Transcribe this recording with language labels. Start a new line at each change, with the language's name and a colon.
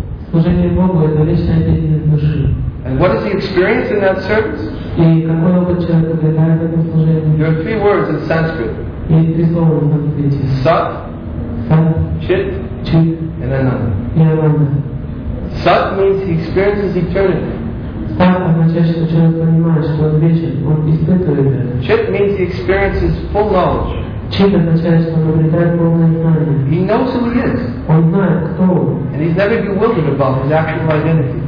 Russian: Служение Богу — это вечная деятельность души.
English: And what is the experience in that service?
Russian: И какой опыт человек обретает в этом служении?
English: There are three words in Sanskrit.
Russian: И три слова в санскрите.
Sanskrit: Сат, чит,
English: and ананда.
Russian: И ананда.
English: Сат means he experiences eternity.
Russian: Сат означает, что человек понимает, что он вечен, он испытывает это.
English: Чит means he experiences full knowledge.
Russian: Чит означает, что он обретает полное знание.
English: He knows who he is.
Russian: Он знает, кто он.
English: And he's never bewildered about his actual identity.